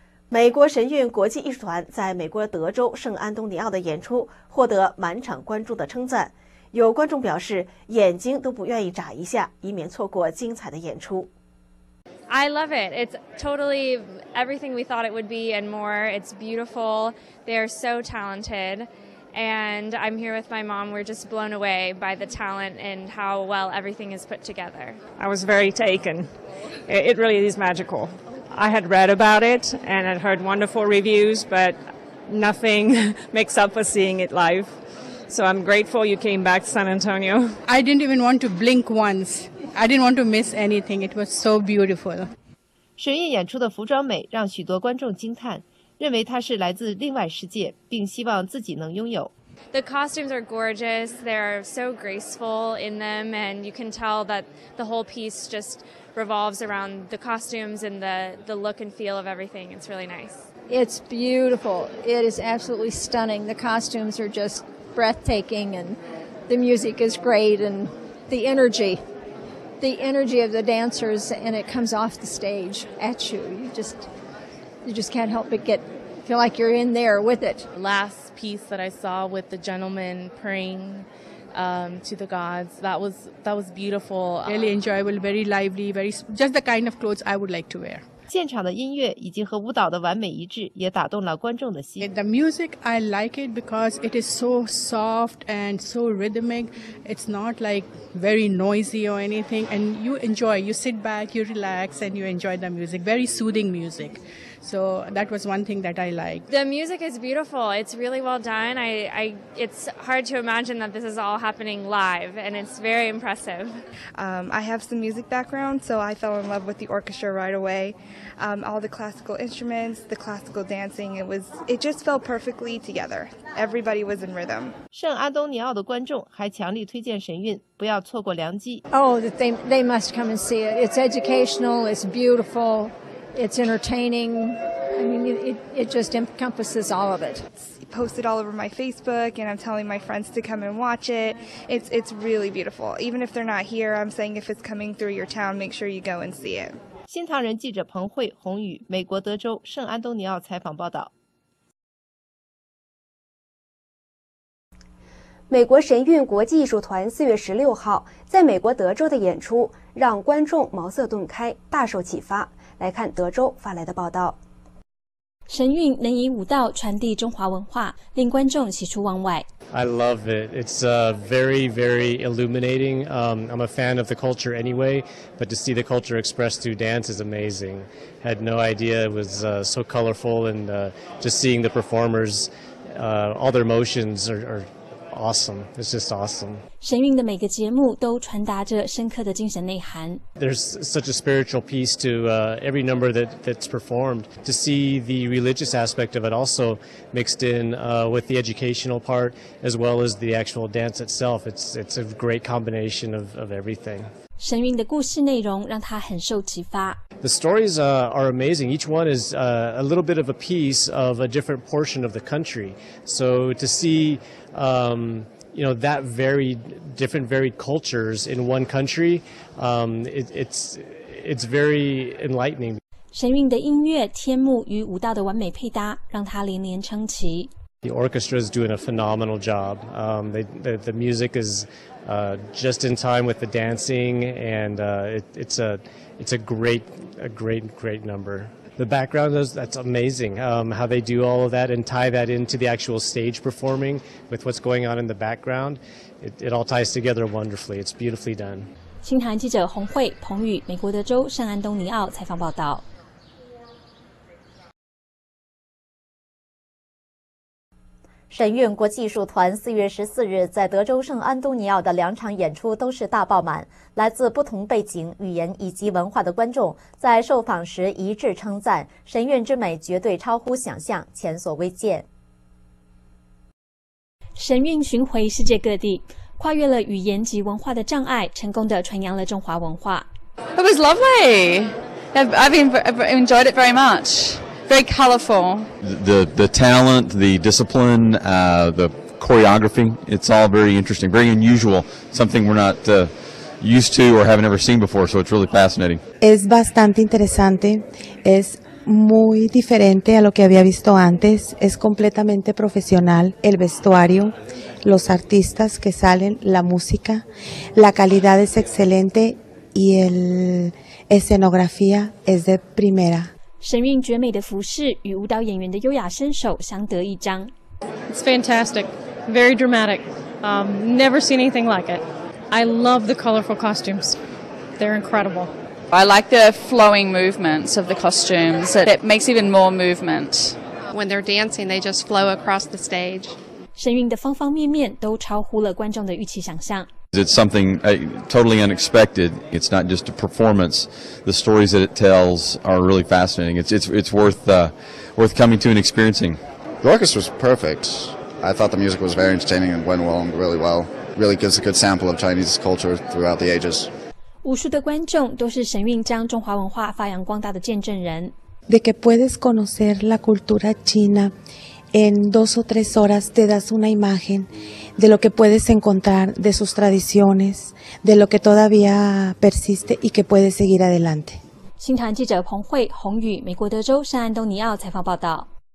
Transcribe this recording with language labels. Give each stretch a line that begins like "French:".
Chinese: 美国神韵国际艺术团在美国德州圣安东尼奥的演出获得满场观众的称赞，有观众表示眼睛都不愿意眨一下，以免错过精彩的演出。
English: I love it. It's totally everything we thought it would be and more. It's beautiful. They are so talented. And I'm here with my mom. We're just blown away by the talent and how well everything is put together. I was very taken. It really is magical. I had read about it and had heard wonderful reviews, but nothing makes up for seeing it live. So I'm grateful you came back to San Antonio. I didn't even want to blink once. I didn't want to miss anything. It was so beautiful.
Chinese: 神韵演出的服装美让许多观众惊叹，认为它是来自另外世界，并希望自己能拥有。
English: The costumes are gorgeous. They are so graceful in them, and you can tell that the whole piece just revolves around the costumes and the look and feel of everything. It's really nice. It's beautiful. It is absolutely stunning. The costumes are just breathtaking, and the music is great, and the energy. The energy of the dancers, and it comes off the stage at you. You just can't help but feel like you're in there with it. Last piece that I saw with the gentleman praying to the gods, that was beautiful. Really enjoyable, very lively, very just the kind of clothes I would like to wear.
Chinese: 现场的音乐已经和舞蹈的完美一致，也打动了观众的心。
English: The music, I like it because it is so soft and so rhythmic. It's not like very noisy or anything, and you enjoy. You sit back, you relax, and you enjoy the music. Very soothing music. So that was one thing that I like. The music is beautiful. It's really well done. It's hard to imagine that this is all happening live, and it's very impressive. I have some music background, so I fell in love with the orchestra right away. All the classical instruments, the classical dancing, it just fell perfectly together. Everybody was in rhythm.
Chinese: 圣安东尼奥的观众还强力推荐神韵，不要错过良机。
English: Oh, they must come and see it. It's educational, it's beautiful, it's entertaining. I mean, it just encompasses all of it. It's posted all over my Facebook, and I'm telling my friends to come and watch it. It's really beautiful. Even if they're not here, I'm saying if it's coming through your town, make sure you go and see it.
Chinese: 新唐人记者彭慧、洪宇，美国德州圣安东尼奥采访报道。美国神韵国际艺术团4月16号在美国德州的演出让观众茅塞顿开，大受启发。来看德州发来的报道。神韵能以舞蹈传递中华文化，令观众喜出望外。
English: I love it. It's very, very illuminating. I'm a fan of the culture anyway, but to see the culture expressed through dance is amazing. Had no idea it was so colorful, and just seeing the performers, all their motions are awesome. It's just awesome.
Chinese: 神韵的每个节目都传达着深刻的精神内涵。
English: There's such a spiritual piece to every number that's performed. To see the religious aspect of it also mixed in with the educational part as well as the actual dance itself. It's a great combination of everything.
Chinese: 神韵的故事内容让他很受启发。
English: The stories are amazing. Each one is a little bit of a piece of a different portion of the country. So to see you know, that varied cultures in one country, it's very enlightening.
Chinese: 神韵的音乐、天幕与舞蹈的完美配搭，让他连连称奇。
English: The orchestra is doing a phenomenal job. The music is just in time with the dancing, and it's a great number. The background, that's amazing, how they do all of that and tie that into the actual stage performing with what's going on in the background. It all ties together wonderfully. It's beautifully done.
Chinese: 新唐人记者洪慧、彭宇，美国德州圣安东尼奥采访报道。神韵国际艺术团4月14日在德州圣安东尼奥的两场演出都是大爆满，来自不同背景、语言以及文化的观众在受访时一致称赞神韵之美绝对超乎想象，前所未见。神韵巡回世界各地，跨越了语言及文化的障碍，成功地传扬了中华文化。
English: It was lovely. I've enjoyed it very much. Very colorful. The talent, the discipline, the choreography, it's all very interesting, very unusual, something we're not used to or haven't ever seen before, so it's really fascinating.
Spanish: Es bastante interesante. Es muy diferente a lo que había visto antes. Es completamente profesional el vestuario, los artistas que salen, la música, la calidad es excelente y el escenografía es de primera.
Chinese: 神韵绝美的服饰与舞蹈演员的优雅身手相得益彰。
English: It's fantastic, very dramatic. Never seen anything like it. I love the colorful costumes. They're incredible. I like the flowing movements of the costumes. It makes even more movement. When they're dancing, they just flow across the stage.
Chinese: 神韵的方方面面都超乎了观众的预期想象。
English: It's something totally unexpected. It's not just a performance. The stories that it tells are really fascinating. It's worth coming to and experiencing. The orchestra was perfect. I thought the music was very entertaining and went along really well. Really gives a good sample of Chinese culture throughout the ages.
Chinese: 无数的观众都是神韵将中华文化发扬光大的见证人。
Spanish: De que puedes conocer la cultura china en dos o tres horas te das una imagen de lo que puedes encontrar, de sus tradiciones, de lo que todavía persiste y que puedes seguir adelante.
Chinese: 新唐记者彭慧、洪宇，美国德州圣安东尼奥采访报道。